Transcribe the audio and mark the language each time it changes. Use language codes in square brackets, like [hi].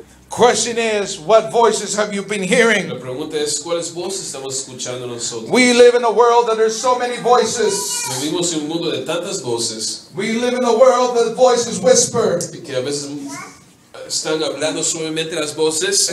[en] Question is, what voices have you been hearing? [es] La pregunta es, ¿cuáles voces estamos escuchando nosotros? [en] We live in a world that there's so many voices. [es] Vivimos en un mundo de tantas voces. [en] We live in a world that voices whisper. [es] Que a veces están hablando suavemente las voces.